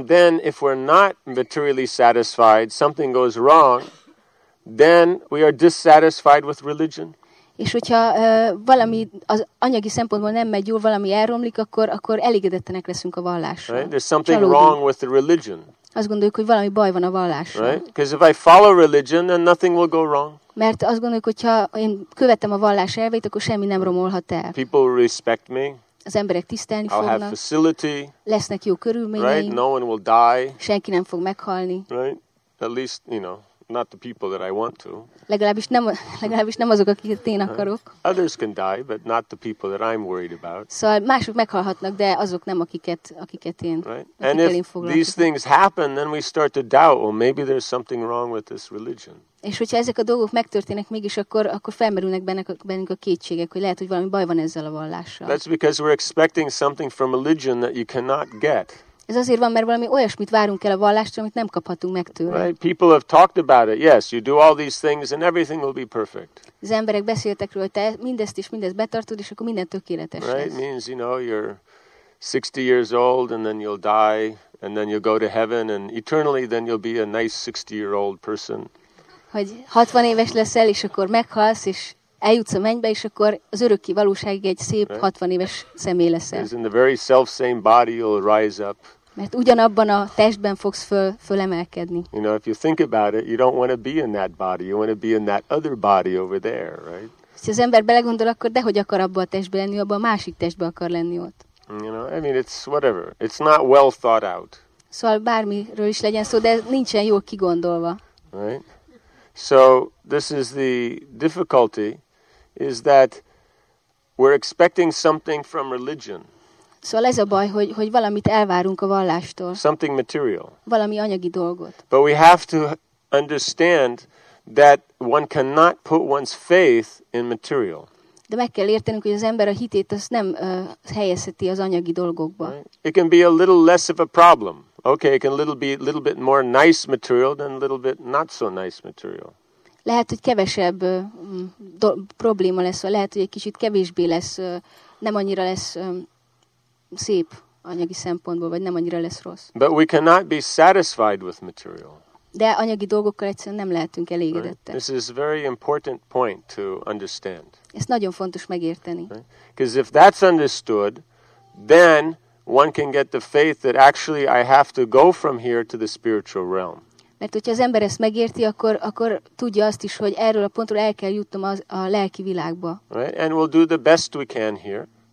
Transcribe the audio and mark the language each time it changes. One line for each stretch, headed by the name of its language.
English: And then if we're not materially satisfied, something goes wrong, then we are dissatisfied with religion.
Hungarian: És hogyha valami az anyagi szempontból nem megy jól, valami elromlik, akkor elégedettenek leszünk a vallásra.
English: Right? There's something wrong with the religion.
Hungarian: Azt gondoljuk, hogy valami baj van a vallással.
English: Right? Because if I follow religion, then nothing will go wrong.
Hungarian: Mert azt gondoljuk, hogy ha én követem a vallás elveit, akkor semmi nem romolhat el.
English: People will respect me.
Hungarian: Az emberek tisztelni
English: I'll
Hungarian: fognak.
English: I'll have facility.
Hungarian: Lesznek jó körülményeim.
English: Right? No one will die.
Hungarian: Senki nem fog meghalni.
English: Right? At least, you know, not the people that I want to.
Hungarian: Legalábbis nem azok, akiket én akarok.
English: Others can die, but not the people that I'm worried about.
Hungarian: Szóval mások meghalhatnak, de azok nem akiket én.
English: Right? And if these things happen, then we start to doubt, well, maybe there's something wrong with this religion.
Hungarian: És hogyha ezek a dolgok megtörténnek mégis, akkor felmerülnek bennünk a kétségek, hogy lehet, hogy valami baj van ezzel a vallással.
English: That's because we're expecting something from religion that you cannot get.
Hungarian: Ez azért van, mert valami olyasmit várunk el a vallástól, amit nem kaphatunk meg tőle.
English: Right? People have talked about it. Yes, you do all these things and everything will be perfect.
Hungarian: Az emberek beszéltek róla, hogy te mindezt is mindezt betartod, és akkor minden tökéletes lesz.
English: Right? Means, you know, you're 60 years old and then you'll die and then you'll go to heaven and eternally then you'll be a nice 60-year-old person.
Hungarian: Hogy 60 éves leszel, és akkor meghalsz, és eljutsz a mennybe, és akkor az örökké valóságig egy szép 60 éves személy leszel.
English: Because in the very self-same body you'll rise up.
Hungarian: Mert ugyanabban a testben fogsz fölemelkedni.
English: You know, if you think about it, you don't want to be in that body. You want to be in that other body over there, right?
Hungarian: Ha az ember belegondol, akkor dehogy akar abba a testben lenni, abba a másik testben akar lenni ott.
English: You know, I mean, it's whatever. It's not well thought out.
Hungarian: Szóval bármiről is legyen szó, de nincsen jól kigondolva.
English: Right? So this is the difficulty, is that we're expecting something from religion.
Hungarian: Szóval ez a baj, hogy valamit elvárunk a vallástól.
English: Something material.
Hungarian: Valami anyagi dolgot.
English: But we have to understand that one cannot put one's faith in material.
Hungarian: De meg kell értenünk, hogy az ember a hitét azt nem helyezheti az anyagi dolgokba.
English: Right. It can be a little less of a problem. Okay, it can a little bit more nice material than a little bit not so nice material.
Hungarian: Lehet, hogy kevesebb probléma lesz, vagy lehet, hogy egy kicsit kevésbé lesz, nem annyira lesz szép anyagi szempontból, vagy nem annyira lesz rossz.
English: But we cannot be satisfied with material.
Hungarian: De anyagi dolgokkal egyszerűen nem lehetünk elégedettek.
English: Right. This is a very important point to understand.
Hungarian: Ez nagyon fontos megérteni.
English: Because if that's understood, then one can get the faith that actually I have to go from here to the spiritual realm.
Hungarian: Mert hogyha az ember ezt megérti, akkor tudja azt is, hogy erről a pontról el kell jutnom a lelki világba.
English: Right? And we'll do the best we can here.